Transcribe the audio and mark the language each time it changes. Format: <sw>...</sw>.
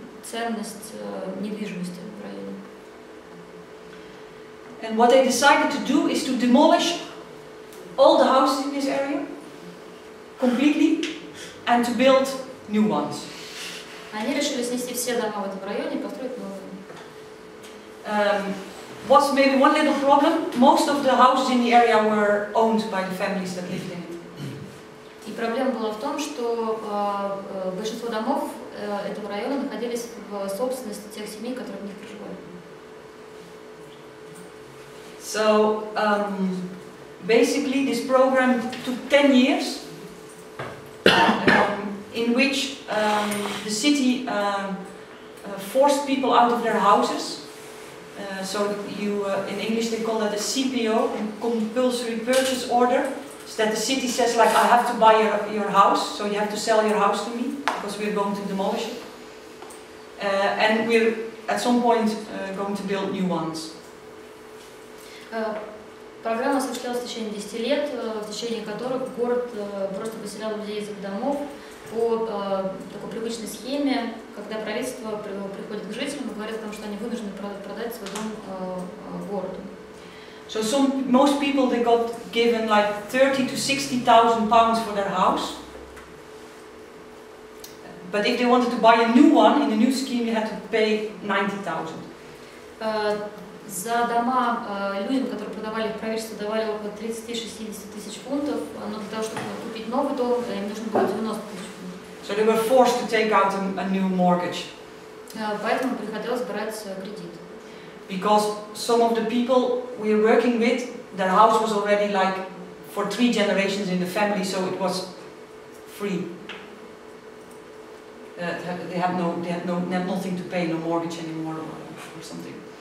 <ru>ценность недвижимости в районе.</ru> <en>And what they decided to do is to demolish all the houses in this area completely and to build new ones.</en> <ru>Они решили снести все дома в этом районе и построить новые.</ru> <en>What's maybe one little problem? Most of the houses in the area were owned by the families that lived in it.</en> <ru>И проблема была в том, что большинство домов этого района находились в собственности тех семей, которые в них проживали.</ru> <en>So, basically, this program took 10 years, in which the city forced people out of their houses. So you, in English, they call that a CPO, a compulsory purchase order, so that the city says, like, I have to buy your house, so you have to sell your house to me, because we're going to demolish it, and we're at some point going to build new ones.</en> <ru>Программа осуществлялась в течение 10 лет, в течение которых город просто поселял людей из их домов по такой привычной схеме, когда правительство приходит к жителям и говорит о том, что они вынуждены продать свой дом городу.</ru> <en>So some, most people they got given like 30 to 60,000 pounds for their house. But if they wanted to buy a new one in the new scheme, you had to pay 90,000.</en> <ru>За дома людям, которые продавали, правительство давали около 30-60 тысяч фунтов, но для того, чтобы купить новый дом, им нужно было 90 тысяч фунтов.</ru> <en>So they were forced to take out a new mortgage.</en> <ru>Поэтому приходилось брать кредит.</ru> <en>Because some of the people we were working with, their house was already like for 3 generations in the family, so it was free. They had nothing to pay, no mortgage anymore or something.</en>